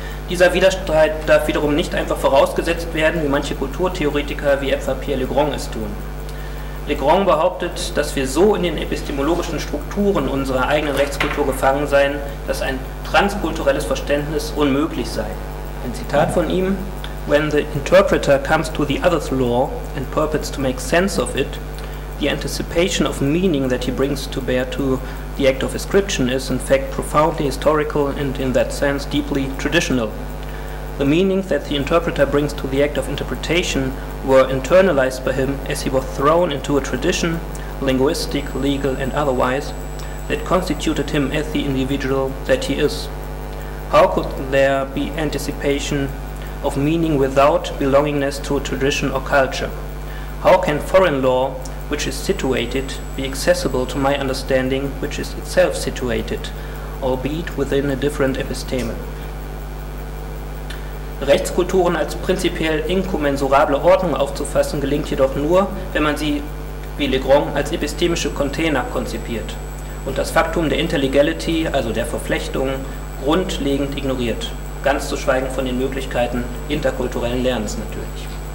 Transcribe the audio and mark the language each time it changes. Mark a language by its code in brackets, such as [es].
[de] Dieser Widerstreit darf wiederum nicht einfach vorausgesetzt werden, wie manche Kulturtheoretiker wie etwa Pierre Legrand es tun. Legrand behauptet, dass wir so in den epistemologischen Strukturen unserer eigenen Rechtskultur gefangen seien, dass ein transkulturelles Verständnis unmöglich sei. [en] Ein Zitat von ihm: "When the interpreter comes to the other's law and purports to make sense of it, the anticipation of meaning that he brings to bear to the act of ascription is in fact profoundly historical and in that sense deeply traditional. The meanings that the interpreter brings to the act of interpretation were internalized by him as he was thrown into a tradition, linguistic, legal and otherwise, that constituted him as the individual that he is. How could there be anticipation of meaning without belongingness to a tradition or culture? How can foreign law, which is situated, be accessible to my understanding, which is itself situated, albeit within a different episteme." [de] Rechtskulturen als prinzipiell inkommensurable Ordnung aufzufassen, gelingt jedoch nur, wenn man sie, wie Legrand, als epistemische Container konzipiert und das Faktum der Interlegality, also der Verflechtung, grundlegend ignoriert, ganz zu schweigen von den Möglichkeiten interkulturellen Lernens natürlich.